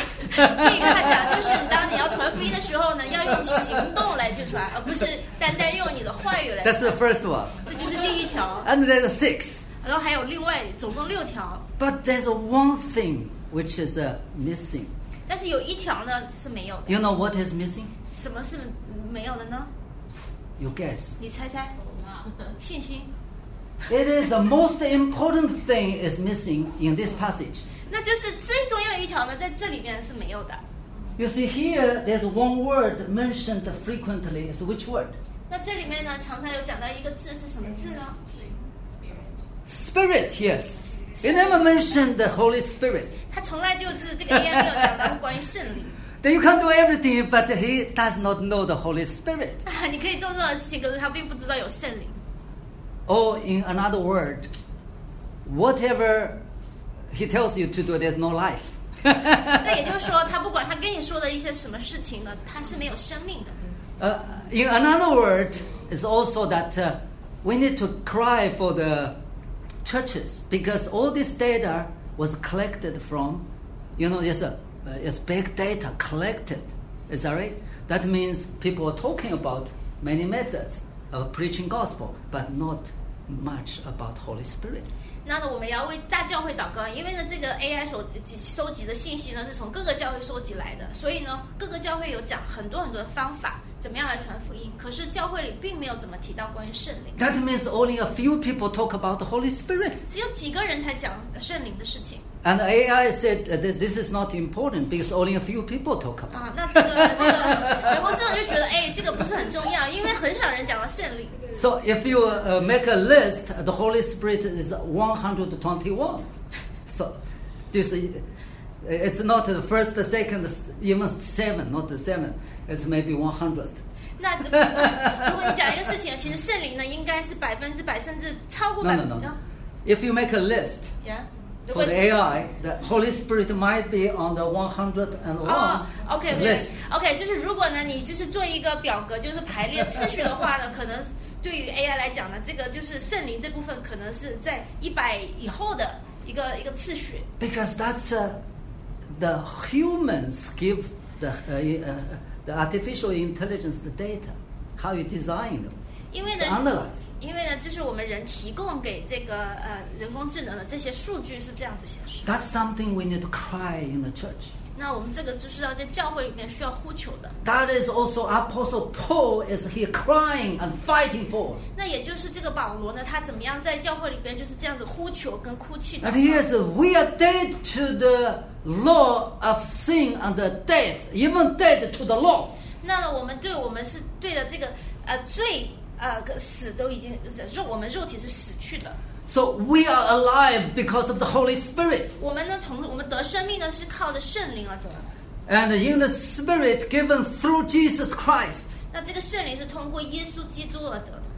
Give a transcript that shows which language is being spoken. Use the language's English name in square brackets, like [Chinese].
[Chinese] 第一个他讲就是当你要传福音的时候呢，要用行动来去传，而不是单单用你的话语来。 [English] That's the first one. [Chinese] 这就是第一条。 [English] And there's six. [Chinese] 然后还有另外总共六条。 [English] But there's one thing which is missing. [Chinese] 但是有一条呢是没有的。 [English] You know what is missing? [Chinese] 什么是没有的呢？ [English] You guess. [Chinese] 你猜猜。信心。 [English] It is the most important thing is missing in this passage. [Chinese] 那就是最重要一条呢，在这里面是没有的。 [English] You see here, there's one word mentioned frequently. Is which word? [Chinese] 那这里面呢，常常有讲到一个字是什么字呢？ [English] Spirit. Spirit, yes. You never mentioned the Holy Spirit. [Chinese] 他从来就是这个 AI 没有讲到关于圣灵。 [English] Then you can do everything, but he does not know the Holy Spirit. [Chinese] 你可以做任何事情，可是他并不知道有圣灵。 [English] Or in another word, whatever he tells you to do, there's no life. [Chinese] 那也就是说，他不管他跟你说的一些什么事情呢，他是没有生命的。 [English] In another word, it's also that we need to cry for the churches because all this data was collected from, you know, yes. It's big data collected, is that right? That means people are talking about many methods of preaching gospel, but not much about Holy Spirit. [Chinese] 那我们要为大教会祷告，因为呢，这个 AI 所收集的信息呢，是从各个教会收集来的，所以呢，各个教会有讲很多很多的方法，怎么样来传福音。可是教会里并没有怎么提到关于圣灵。 [English] That means only a few people talk about the Holy Spirit. [Chinese] 只有几个人才讲圣灵的事情。 [English] And AI said that this is not important because only a few people talk about. [Chinese] 那这个人工智能就觉得，哎，这个不是很重要，因为很少人讲到圣灵。 [English] So if you make a list, the Holy Spirit is 121. So this it's not the first, the second, even seven, not the seven. It's maybe 100th. [Chinese] 那如果你讲一个事情，其实圣灵呢，应该是百分之百，甚至超过百分之。 [English] No. If you make a list. Yeah. For the AI, the Holy Spirit might be on the 101 oh, okay, list. [Chinese] Okay, 就是如果呢，你就是做一个表格，就是排列次序的话呢，可能对于 AI 来讲呢，这个就是圣灵这部分可能是在100以后的一个次序。 [English] Because that's the humans give the artificial intelligence the data, how you design them, to analyze. [Chinese] 因为呢，就是我们人提供给这个人工智能的这些数据是这样子显示。 [English] That's something we need to cry in the church. [Chinese] 那我们这个就是要在教会里面需要呼求的。 [English] That is also Apostle Paul is here crying and fighting for. [Chinese] 那也就是这个保罗呢，他怎么样在教会里边就是这样子呼求跟哭泣。 [English] And he is, we are dead to the law of sin and the death, even dead to the law. [Chinese] 那我们对我们是对的这个罪。死都已经肉，我们肉体是死去的。 [English] So we are alive because of the Holy Spirit. [Chinese] 我们呢，从我们得生命呢，是靠着圣灵而得。 [English] And in the Spirit given through Jesus Christ. [Chinese] 那这个圣灵是通过耶稣基督而得的。